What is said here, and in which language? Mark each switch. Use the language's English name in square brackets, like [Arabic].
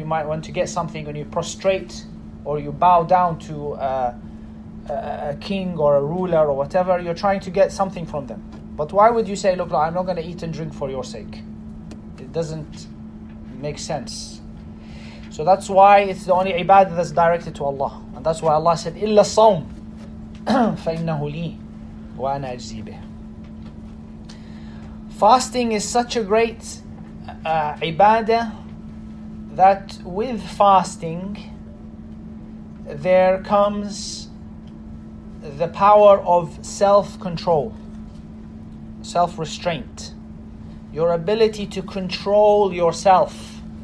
[English] You might want to get something when you prostrate or you bow down to a king or a ruler or whatever. You're trying to get something from them. But why would you say, look, I'm not going to eat and drink for your sake? It doesn't make sense. So that's why it's the only ibadah that's directed to Allah. And that's why Allah said, [Arabic] إِلَّا الصَّوْمِ فَإِنَّهُ لِي وَأَنَا أَجْزِي بِهِ. [English] Fasting is such a great ibadah that with fasting there comes the power of self-control, self-restraint, your ability to control yourself.